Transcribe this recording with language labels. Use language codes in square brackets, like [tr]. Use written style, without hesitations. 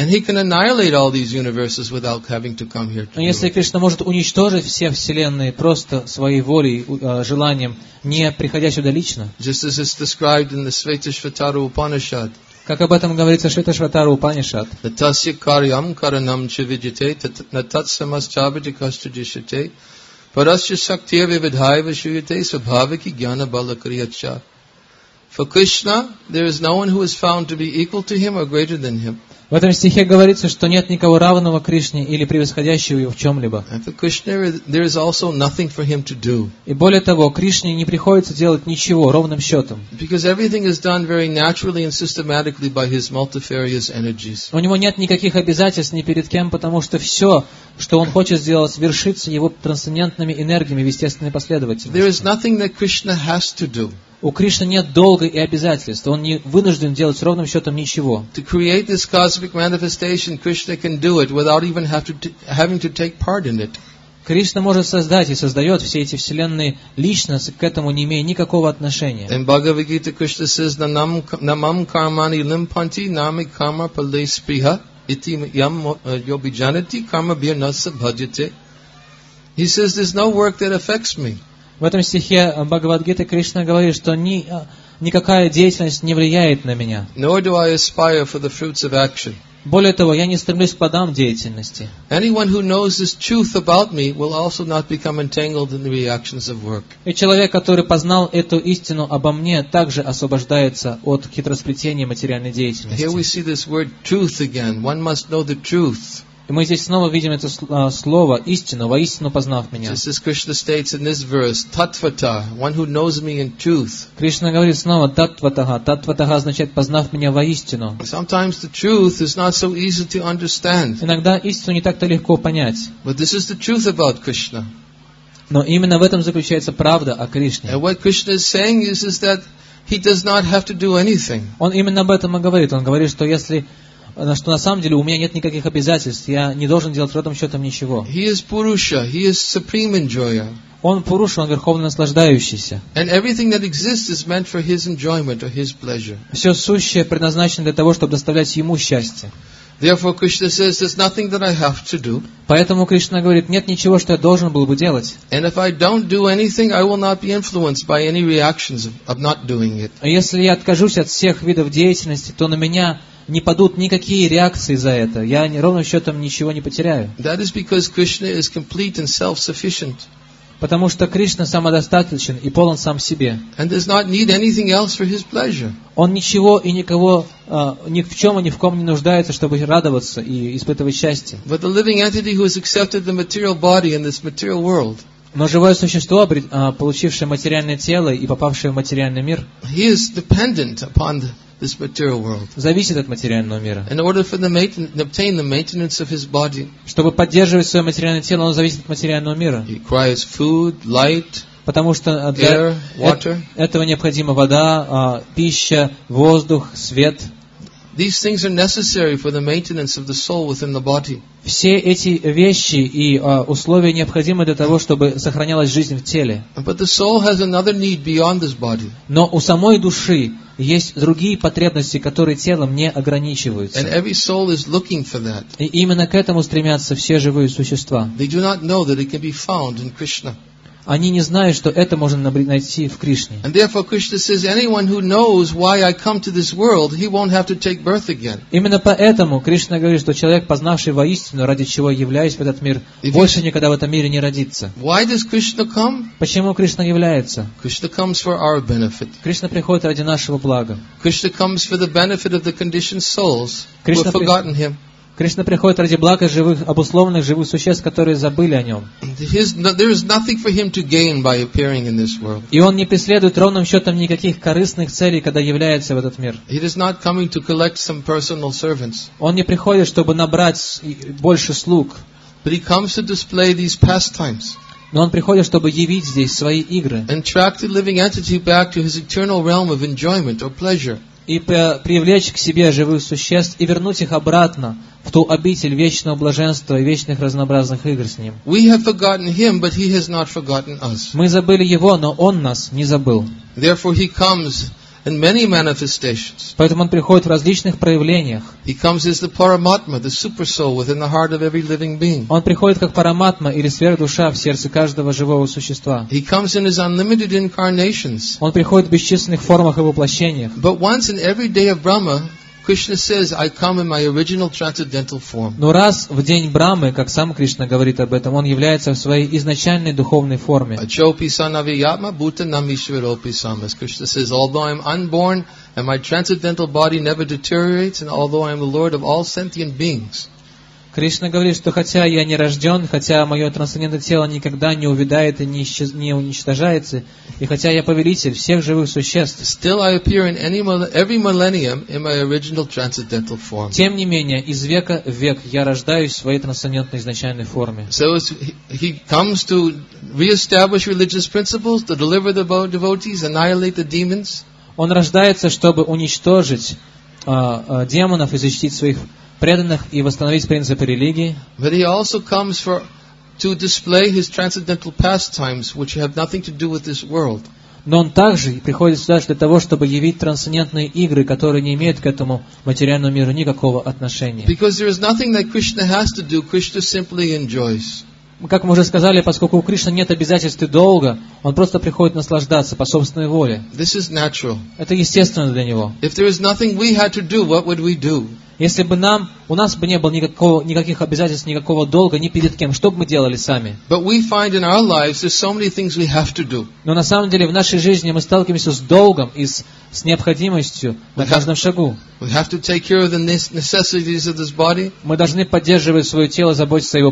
[ru] если Кришна может уничтожить все вселенные просто своей волей, желанием, не приходя сюда лично, как об этом говорится в Шветашватара Упанишад, [sa] «Натасья карьям каранам ча виджите, натасамас ча виджикаста джишите, парасча сактир вивидхайва шуйте, сабхавики гьяна бала крияча». [en] For Krishna, there is no one who is found to be equal to him or greater than him. [ru] В этом стихе говорится, что нет никого равного Кришне или превосходящего его в чем-либо. [en] And for Krishna, there is also nothing for him to do. [ru] И более того, Кришне не приходится делать ничего ровным счетом. [en] Because everything is done very naturally and systematically by his multifarious energies. [ru] У него нет никаких обязательств ни перед кем, потому что все, что он хочет сделать, вершится его трансцендентными энергиями в естественной последовательности. [en] There is nothing that Krishna has to do. [ru] У Кришны нет долга и обязательств. Он не вынужден делать с ровным счетом ничего. [en] To create this cosmic manifestation, Krishna can do it without even having to take part in it. [ru] Кришна может создать и создает все эти вселенные лично, к этому не имея никакого отношения. [en] In Bhagavad Gita, Krishna says, [sa] "Namam karmani limpanti, nami karma pale spriha, iti yam yobijanati, karma bhir nasa bhajate." [en] He says, "There's no work that affects me." [ru] В этом стихе Бхагавадгиты Кришна говорит, что никакая деятельность не влияет на меня. [en] Nor do I aspire for the fruits of action. [ru] Более того, я не стремлюсь к плодам деятельности. [en] Anyone who knows this truth about me will also not become entangled in the reactions of work. [ru] И человек, который познал эту истину обо мне, также освобождается от хитросплетения материальной деятельности. [en] Here we see this word truth again. One must know the truth. [ru] И мы здесь снова видим это слово «истину», «воистину познав меня». Кришна говорит снова «таттватага». «Таттватага» означает «познав меня воистину». [en] Sometimes the truth is not so easy to understand. [ru] Иногда истину не так-то легко понять. [en] But this is the truth about Krishna. [ru] Но именно в этом заключается правда о Кришне. [en] And what Krishna is saying is that he does not have to do anything. [ru] Он именно об этом и говорит. Он говорит, что если... что на самом деле у меня нет никаких обязательств, я не должен делать в этом счетом ничего. [en] He is Purusha, he is supreme enjoyer. [ru] Он Пуруша, он верховно наслаждающийся. [en] And everything that exists is meant for his enjoyment or his pleasure. [ru] Все сущее предназначено для того, чтобы доставлять ему счастье. [en] Therefore, Krishna says, there's nothing that I have to do. [ru] Поэтому Кришна говорит, нет ничего, что я должен был бы делать. [en] And if I don't do anything, I will not be influenced by any reactions of not doing it. [ru] А если я откажусь от всех видов деятельности, то на меня не падут никакие реакции за это. Я ровным счетом ничего не потеряю. [en] That is because Krishna is complete and self-sufficient. [ru] Потому что Кришна самодостаточен и полон сам себе. [en] And does not need anything else for his pleasure. [ru] Он ничего и никого, ни в чем и ни в ком не нуждается, чтобы радоваться и испытывать счастье. [en] But the living entity who has accepted the material body in this material world. [ru] Но живое существо, получившее материальное тело и попавшее в материальный мир, [en] he is dependent upon the this material world. [ru] Зависит от материального мира. [en] In order for obtain the maintenance of his body. [ru] Чтобы поддерживать свое материальное тело, оно зависит от материального мира. [en] He requires food, light, [ru] потому что для [en] air, water. [ru] Этого необходима вода, пища, воздух, свет. [en] These things are necessary for the maintenance of the soul within the body. [ru] Все эти вещи и условия необходимы для того, чтобы сохранялась жизнь в теле. [en] But the soul has another need beyond this body. [ru] Но у самой души есть другие потребности, которые телом не ограничиваются. [en] And every soul is looking for that. [ru] И именно к этому стремятся все живые существа. [en] They do not know that it can be found in Krishna. [ru] Они не знают, что это можно найти в Кришне. [en] And therefore Krishna says, anyone who knows why I come to this world, he won't have to take birth again. [ru] Именно поэтому Кришна говорит, что человек, познавший воистину, ради чего являюсь в этот мир, больше никогда в этом мире не родится. [en] Why does Krishna come? [ru] Почему Кришна является? [en] Krishna comes for our benefit. [ru] Кришна приходит ради нашего блага. [en] Krishna comes for the benefit of the conditioned souls who have forgotten him. [ru] Кришна приходит ради блага живых, обусловленных живых существ, которые забыли о нем. [en] There is nothing for him to gain by appearing in this world. [ru] И он не преследует ровным счетом никаких корыстных целей, когда является в этот мир. [en] He is not coming to collect some personal servants. [ru] Он не приходит, чтобы набрать больше слуг. [en] But he comes to display these pastimes. [ru] Но он приходит, чтобы явить здесь свои игры. [en] And attract the living entity back to his eternal realm of enjoyment or pleasure. [ru] И привлечь к себе живых существ и вернуть их обратно в ту обитель вечного блаженства и вечных разнообразных игр с ним. [en] We have forgotten him, but he has not forgotten us. [ru] Мы забыли его, но он нас не забыл. [en] Therefore he comes in many manifestations. [ru] Поэтому он приходит в различных проявлениях. [en] He comes as the Paramatma, the super soul within the heart of every living being. [ru] Он приходит как Параматма или сверхдуша в сердце каждого живого существа. [en] He comes in his unlimited incarnations. [ru] Он приходит в бесчисленных формах и воплощениях. [en] But once in every day of Brahma, Krishna says, I come in my original transcendental form. [ru] Но раз в день Брахмы, как сам Кришна говорит об этом, он является в своей изначальной духовной форме. [sa] Achopi sanaviyatma bhuta namishvaropi samas. [en] Krishna says, although I am unborn and my transcendental body never deteriorates, and although I am the Lord of all sentient beings. [ru] Кришна говорит, что хотя я не рожден, хотя мое трансцендентное тело никогда не увядает и не уничтожается, и хотя я повелитель всех живых существ, [en] still I appear in every millennium in my original transcendental form. [ru] Тем не менее, из века в век я рождаюсь в своей трансцендентной изначальной форме. [en] So he comes to reestablish religious principles, to deliver the devotees, annihilate the demons. [ru] Он рождается, чтобы уничтожить демонов и защитить своих преданных и восстановить принципы религии. [en] But he also comes for to display his transcendental pastimes, which have nothing to do with this world. [ru] Но он также приходит сюда для того, чтобы явить трансцендентные игры, которые не имеют к этому материальному миру никакого отношения. [en] Because there is nothing that Krishna has to do, Krishna simply enjoys. [ru] Как мы уже сказали, поскольку у Кришны нет обязательств и долга, он просто приходит наслаждаться по собственной воле. [en] This is natural. [ru] Это естественно для него. [en] If there is nothing we had to do, what would we do? [ru] Если бы нам, у нас бы не было никаких обязательств, никакого долга, ни перед кем, что бы мы делали сами? Но на самом деле в нашей жизни мы сталкиваемся с долгом и с необходимостью на каждом шагу. Мы должны поддерживать свое тело, заботиться о его